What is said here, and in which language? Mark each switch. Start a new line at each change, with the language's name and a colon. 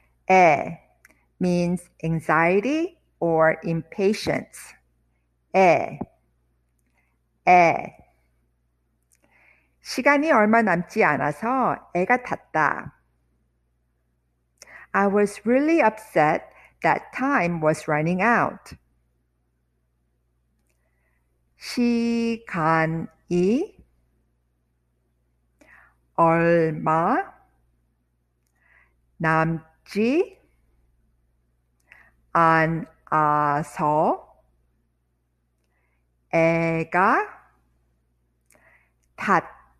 English: 에 means anxiety or impatience. 에, 에.
Korean: 시간이 얼마 남지 않아서 애가 탔다.
English: I was really upset that time was running out.
Korean: 시간이 얼마 남지 않아서 애가 탔다.